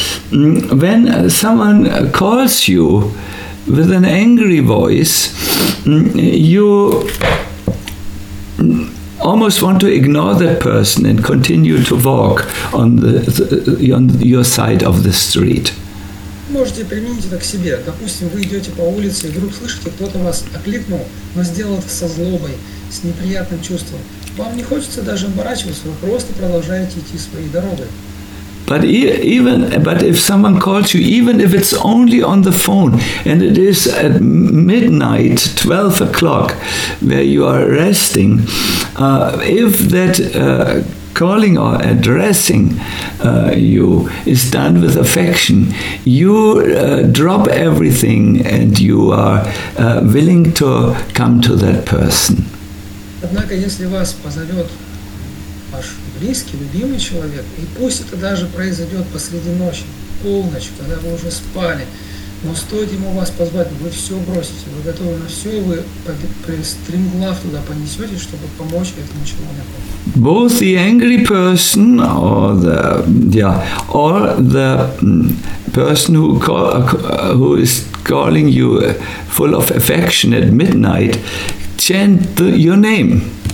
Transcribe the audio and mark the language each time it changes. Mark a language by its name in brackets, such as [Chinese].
[English] When someone calls you with an angry voice, you almost want to ignore that person and continue to walk on your side of the street. [Russian] Можете применить это к себе. Допустим, вы идете по улице, и вдруг слышите, кто-то вас окликнул, но сделал это со злобой, с неприятным чувством. Вам не хочется даже оборачиваться, вы просто продолжаете идти своей дорогой. [English] But if someone calls you, even if it's only on the phone, and it is at midnight, 12 o'clock, where you are resting, if that calling or addressing you is done with affection, you drop everything and you are willing to come to that person. [Russian] Однако, если вас позовет ваш близкий, любимый человек, и пусть это даже произойдет посреди ночи, полночь, когда вы уже спали, но стоит ему вас позвать, вы все бросите, вы готовы на все, и вы стремглав туда понесете, чтобы помочь этому человеку. [English] Both the angry person or the person who is calling you full of affection at midnight, chant your name.